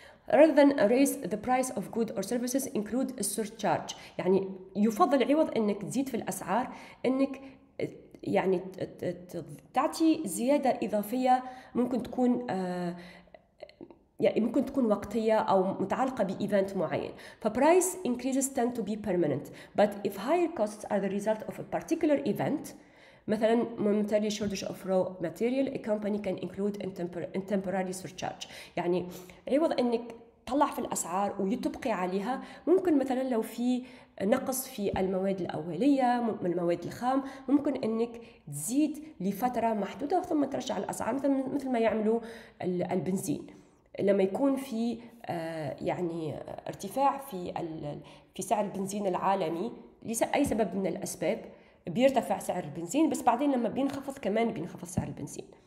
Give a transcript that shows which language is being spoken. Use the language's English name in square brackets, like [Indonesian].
[English] Rather than raise the price of goods or services include a surcharge، [Arabic] يعني يفضل عوض أنك تزيد في الأسعار أنك يعني تعطي زيادة إضافية ممكن تكون يعني ممكن تكون وقتية أو متعلقة بإيفنت معين. [English] فprice increases tend to be permanent but if higher costs are the result of a particular event [Arabic] مثلا [English] momentary shortage of raw material a company can include a temporary surcharge. [Arabic] يعني عوض أنك تطلع في الأسعار وتبقي عليها، ممكن مثلا لو في نقص في المواد الأولية من المواد الخام ممكن أنك تزيد لفترة محدودة ثم ترجع الأسعار، مثل ما يعملوا البنزين لما يكون في يعني ارتفاع في سعر البنزين العالمي لأي سبب من الأسباب بيرتفع سعر البنزين، بس بعدين لما بينخفض كمان بينخفض سعر البنزين.